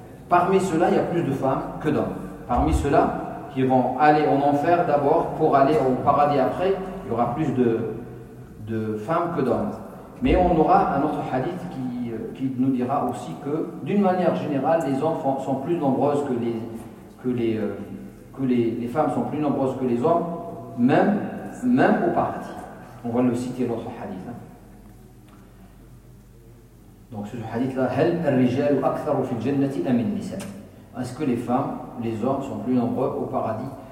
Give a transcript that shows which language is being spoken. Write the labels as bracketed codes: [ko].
[fr] Parmi ceux-là, il y a plus de femmes que d'hommes. Parmi ceux-là, qui vont aller en enfer d'abord pour aller au paradis après, il y aura plus de femmes que d'hommes. Mais on aura un autre hadith qui nous dira aussi que, d'une manière générale, les hommes sont plus nombreuses que les femmes sont plus nombreuses que les hommes, même au paradis. On va le citer l'autre hadith. Donc ce hadith-là, [ar] هل الرجال أكثر في الجنة أم النساء? [fr] Est-ce que les femmes, les hommes sont plus nombreux au paradis?